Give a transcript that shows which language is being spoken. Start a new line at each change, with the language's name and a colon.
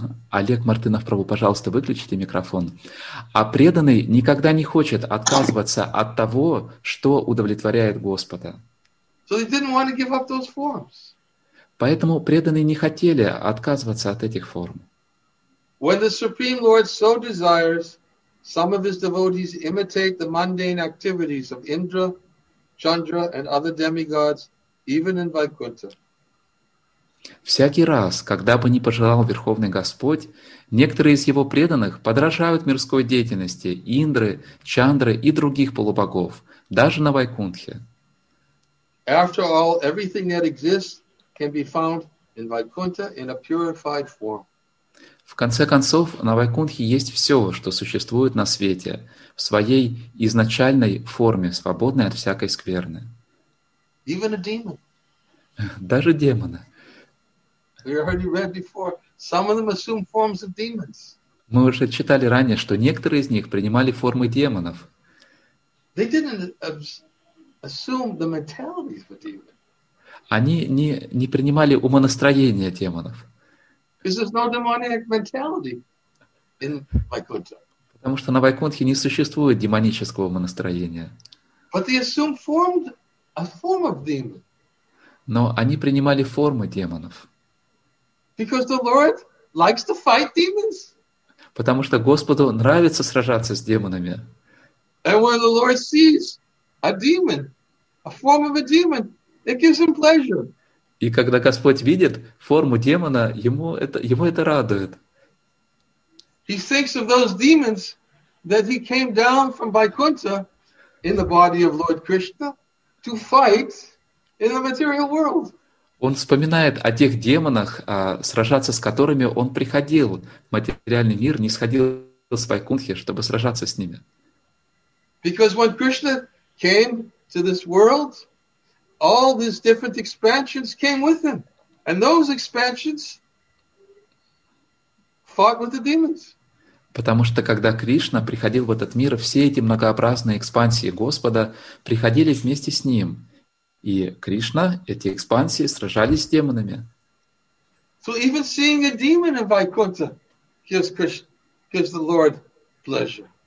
Russian: Олег Мартынов, Прабу, пожалуйста, выключите микрофон. А преданный никогда не хочет отказываться от того, что удовлетворяет Господа.
English: So they didn't want to give up those forms.
Russian: Поэтому преданные не хотели отказываться от этих форм.
English: When the Supreme Lord so desires, some of his devotees imitate the mundane activities of Indra, Chandra, and other demigods, even in Vaikuntha.
Russian: Всякий раз, когда бы ни пожелал Верховный Господь, некоторые из его преданных подражают мирской деятельности Индры, Чандры и других полубогов, даже на Вайкунтхе.
English: After all, everything that exists can be found in Vaikuntha in a purified form.
Russian: В конце концов, на Вайкунтхе есть все, что существует на свете, в своей изначальной форме, свободной от всякой скверны.
English: Even a demon.
Russian: Даже демоны.
English: We already read before, some of them assume forms of demons.
Russian: Мы уже читали ранее, что некоторые из них принимали формы демонов.
English: They didn't assume the mentality of a demon.
Russian: Они не принимали умонастроение демонов.
English: Because there's no demonic mentality in Vaikuntha.
Russian: Потому что на Вайкунтхе не существует демонического умонастроения.
English: But they assumed a form of demon.
Russian: Но они принимали формы демонов.
English: Because the Lord likes to fight demons.
Russian: Потому что Господу нравится сражаться с демонами.
English: And when the Lord sees a demon, a form of a demon, it gives him pleasure.
Russian: И когда Господь видит форму демона, ему это радует.
English: He thinks of those demons that he came down from Vaikuntha in the body of Lord Krishna to fight in the material world.
Russian: Он вспоминает о тех демонах, сражаться с которыми он приходил в материальный мир, не сходил с Вайкунтхи, чтобы сражаться с ними.
English: Because when Krishna came to this world, all these different expansions came with him. And those expansions fought with the demons.
Russian: Потому что когда Кришна приходил в этот мир, все эти многообразные экспансии Господа приходили вместе с ним. И Кришна, эти экспансии, сражались с демонами.
English: So even seeing a demon in Vaikuntha gives the Lord pleasure.